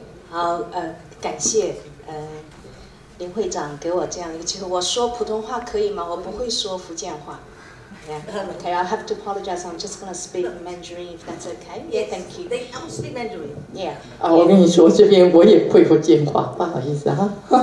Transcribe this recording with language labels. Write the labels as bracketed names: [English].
[Chinese] 好，感谢林会长给我这样一个机会。我说普通话可以吗？我不会说福建话。 [English] Yeah, okay, I have to apologize. I'm just gonna speak Mandarin if that's okay. Yes, thank you. They don't speak Mandarin. Yeah. [Chinese] 我跟你说，这边我也会福建话，不好意思啊。